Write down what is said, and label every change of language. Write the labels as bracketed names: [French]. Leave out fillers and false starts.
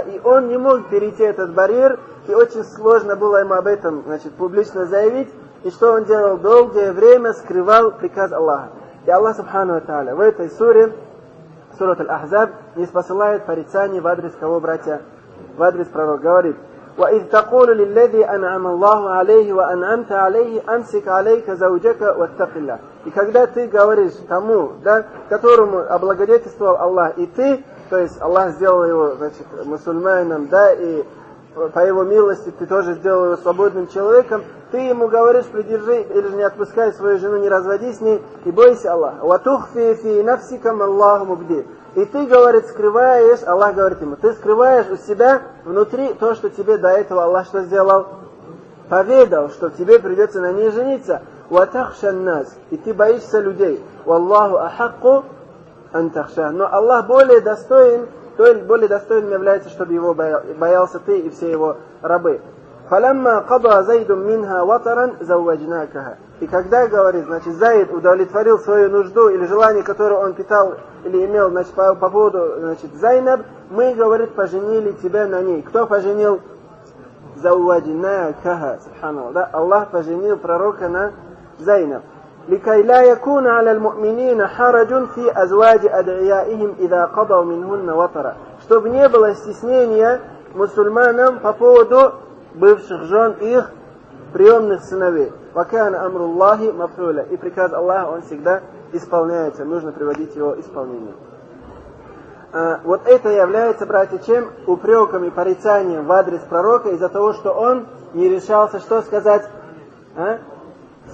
[Russian] И он не мог перейти этот барьер, и очень сложно было ему об этом, значит, публично заявить. И что он делал? Долгое время скрывал приказ Аллаха. И Аллах, субхану ва тааля, в этой суре, сурат аль-Ахзаб, не посылает порицание в адрес кого, братья? В адрес пророка. Говорит: [Arabic] وإذ تقول للذي أنعم الله عليه وأنعمت عليه أمسك عليك زوجك واتق الله. [Russian] И когда ты говоришь тому, да, которому облагодетельствовал Аллах, и ты, то есть Аллах сделал его, значит, мусульманином, да, и по его милости ты тоже сделал его свободным человеком, ты ему говоришь, придержи или же не отпускай свою жену, не разводи с ней, и бойся Аллаха. [Arabic] وَتُخْفِي فِي نَفْسِكَ مَا اللَّهُ مُبْدِي. [Russian] И ты, говорит, скрываешь, Аллах говорит ему, ты скрываешь у себя внутри то, что тебе до этого Аллах что сделал? Поведал, что тебе придется на ней жениться. [Arabic] وَتَخْشَ النَّاسِ. [Russian] И ты боишься людей. [Arabic] وَاللَّهُ أَحَقُّ أَنْ تَخْشَ. [Russian] Но Аллах более достоин, то есть более достойным является, чтобы его боялся ты и все его рабы. [Arabic] فَلَمَّا قَضَى زَيْدٌ مِّنْهَا وَطَرًا زَوَّجْنَاكَهَا. [Russian] И когда, говорит, значит, Заид удовлетворил свою нужду или желание, которое он питал или имел, значит, по поводу, значит, Зайнаб, мы, говорит, поженили тебя на ней. Кто поженил? [Arabic] زَوَّجْنَاكَهَا. [Russian] Субханаллах. Да? Аллах поженил пророка на Зайнаб. [Arabic] لكي لا يكون على المؤمنين حرج في أزواج أدعيائهم إذا قضوا منهن وطرا. [Russian] Чтобы не было стеснения мусульманам по поводу бывших жен их приемных сыновей. [Arabic] وكان أمر الله مفعولا. [Russian] И приказ Аллаха он всегда исполняется. Нужно приводить его исполнение. Вот это является, братья, чем упреком и порицанием в адрес пророка из-за того, что он не решался что сказать. А?